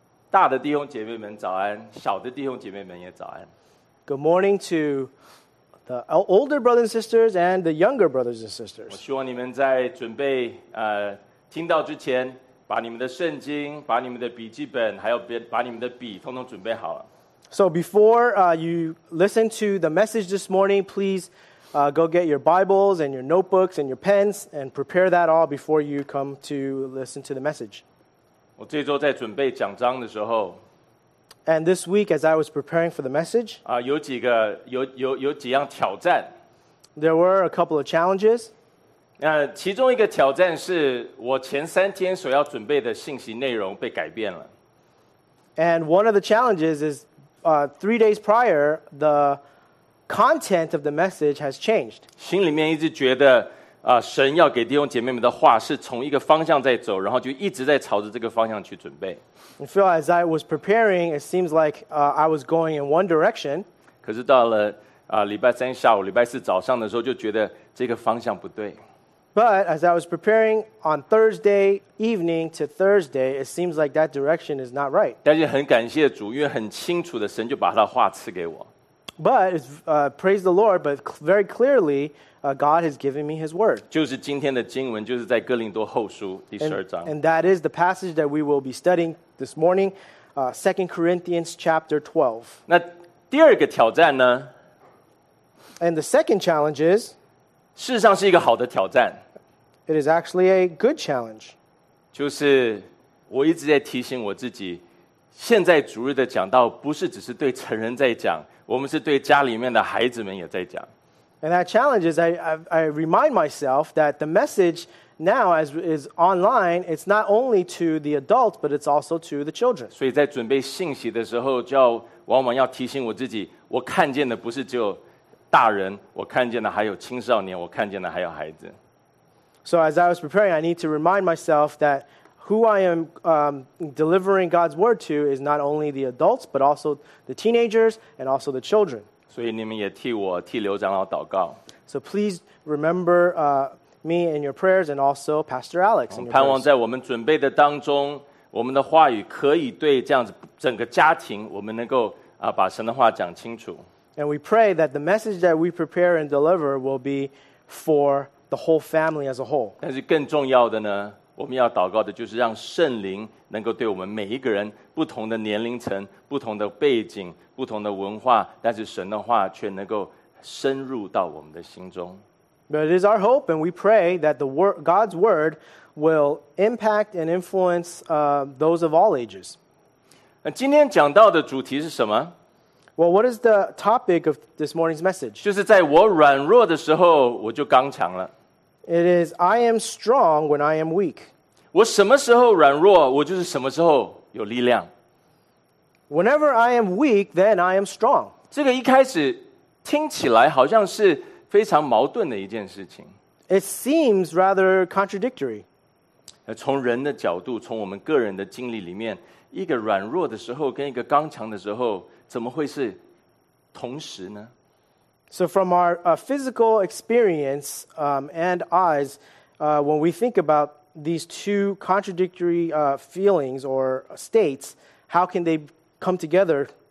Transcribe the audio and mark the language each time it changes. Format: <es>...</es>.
<zh>大的弟兄姐妹们早安，小的弟兄姐妹们也早安。</zh> <en>Good morning to the older brothers and sisters and the younger brothers and sisters.</en> <zh>我希望你们在准备听到之前，把你们的圣经、把你们的笔记本，还有把你们的笔，统统准备好了。</zh> <en>So before you listen to the message this morning, please go get your Bibles and your notebooks and your pens and prepare that all before you come to listen to the message.</en> <zh>我这周在准备讲章的时候</zh> <en>And this week as I was preparing for the message,</en> <zh>有几样挑战</zh> <en>There were a couple of challenges.</en> <zh>其中一个挑战是我前三天所要准备的信息内容被改变了</zh> <en>And one of the challenges is three days prior, the content of the message has changed.</en> <zh>心里面一直觉得神要给弟兄姐妹们的话是从一个方向在走，然后就一直在朝着这个方向去准备。</zh> <en>I feel as I was preparing, it seems like I was going in one direction.</en> <zh>可是到了礼拜三下午、礼拜四早上的时候，就觉得这个方向不对。</zh> <en>But as I was preparing on Thursday evening to Thursday, it seems like that direction is not right.</en> <zh>但是很感谢主，因为很清楚的神就把他的话赐给我。</zh> <en>But praise the Lord, but very clearly, God has given me His word.</en> <zh>就是今天的经文，就是在哥林多后书第十二章。</zh> <en>And that is the passage that we will be studying this morning, 2 Corinthians chapter 12.</en> <zh>那第二个挑战呢？</zh> <en>And the second challenge is,</en> <zh>事实上是一个好的挑战。</zh> <en>It is actually a good challenge.</en> <zh>就是我一直在提醒我自己，现在主日的讲道不是只是对成人在讲，我们是对家里面的孩子们也在讲。</zh> <en>And that challenge is I remind myself that the message now as is online, it's not only to the adults, but it's also to the children.</en> <zh>所以在准备信息的时候，就要往往要提醒我自己，我看见的不是只有大人，我看见的还有青少年，我看见的还有孩子。</zh> <en>So as I was preparing, I need to remind myself that who I am delivering God's word to is not only the adults, but also the teenagers and also the children.</en> <zh>所以你们也替我替刘长老祷告。</zh> <en>So please remember me in your prayers and also Pastor Alex.</en> <zh>盼望在我们准备的当中，我们的话语可以对这样子整个家庭，我们能够把神的话讲清楚。</zh> <en>And we pray that the message that we prepare and deliver will be for the whole family as a whole.</en> <zh>但是更重要的呢，我们要祷告的就是让圣灵能够对我们每一个人，不同的年龄层、不同的背景、不同的文化，但是神的话却能够深入到我们的心中。</zh> <en>But it is our hope and we pray that the word, God's word will impact and influence those of all ages.</en> <zh>今天讲到的主题是什么？</zh> <en>Well, what is the topic of this morning's message?</en> <zh>就是在我软弱的时候，我就刚强了。</zh> <en>It is, I am strong when I am weak.</en> <zh>我什么时候软弱，我就是什么时候有力量。</zh> <en>Whenever I am weak, then I am strong.</en> <zh>这个一开始听起来好像是非常矛盾的一件事情。</zh> <en>It seems rather contradictory.</en> <zh>从人的角度，从我们个人的经历里面，一个软弱的时候跟一个刚强的时候怎么会是同时呢？</zh> <en>So from our physical experience and eyes, when we think about these two contradictory feelings or states, how can they come together?</en>